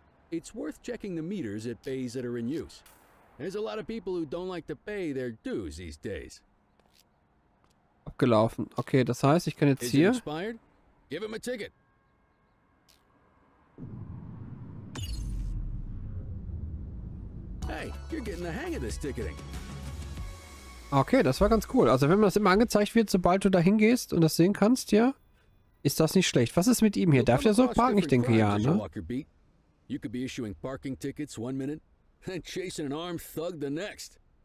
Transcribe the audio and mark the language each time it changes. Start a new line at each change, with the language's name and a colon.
English: It's worth checking the meters at bays that are in use. There's a lot of people who don't like to pay their dues these days.
German: Abgelaufen. Okay, das heißt, ich kann jetzt hier...
English: Expired? Give him a ticket. Hey, you're getting the hang of this ticketing.
German: Okay, das war ganz cool. Also wenn man das immer angezeigt wird, sobald du da hingehst und das sehen kannst, ja, ist das nicht schlecht. Was ist mit ihm hier? Darf der so parken? Ich denke ja, ne?
English: You could be issuing parking tickets one minute and chasing an armed thug the next.